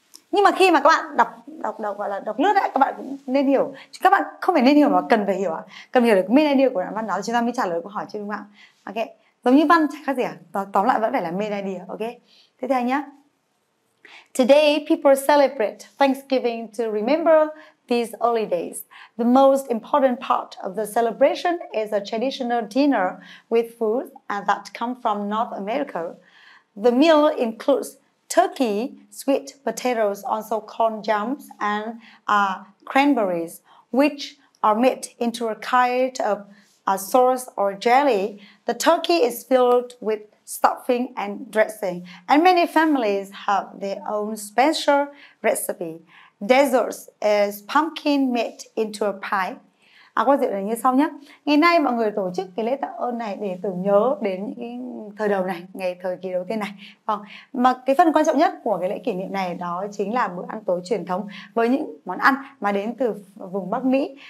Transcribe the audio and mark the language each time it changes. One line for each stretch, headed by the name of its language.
Vietnamese: Nhưng mà khi mà các bạn đọc lướt ấy, các bạn cũng nên hiểu. Chứ các bạn không phải nên hiểu mà cần phải hiểu ạ. Cần hiểu được main idea của đoạn văn đó chúng ta mới trả lời câu hỏi chứ, đúng không ạ? Ok. Giống như văn chẳng khác gì à? Tóm lại vẫn phải là main idea, ok? Tiếp theo nhé.
English: Today, people celebrate Thanksgiving to remember these early days. The most important part of the celebration is a traditional dinner with food that come from North America. The meal includes turkey, sweet potatoes, also corn jams, and cranberries, which are made into a kind of a sauce or jelly. The turkey is filled with stuffing and dressing, and many families have their own special recipe. Desserts is pumpkin made into a pie.
Vietnamese: À, quan điểm là như sau nhé. Ngày nay mọi người tổ chức cái lễ tạ ơn này để tưởng nhớ đến những thời đầu này, ngày thời kỳ đầu tiên này. Vâng. Mà cái phần quan trọng nhất của cái lễ kỷ niệm này đó chính là bữa ăn tối truyền thống với những món ăn mà đến từ vùng Bắc Mỹ.